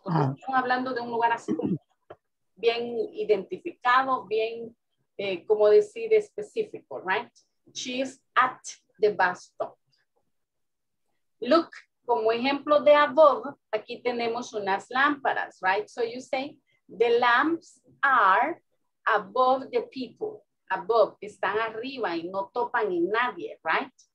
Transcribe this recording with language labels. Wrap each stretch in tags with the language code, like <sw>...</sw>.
<es>Estamos hablando de un lugar así como bien identificado, bien, como decir, específico, right?</es> <en>She is at the bus stop. Look,</en> <es>como ejemplo de</es> <en>above,</en> <es>aquí tenemos unas lámparas,</es> <en>right? So you say, the lamps are above the people.</en> <es>Above, están arriba y no topan en nadie, right?</es>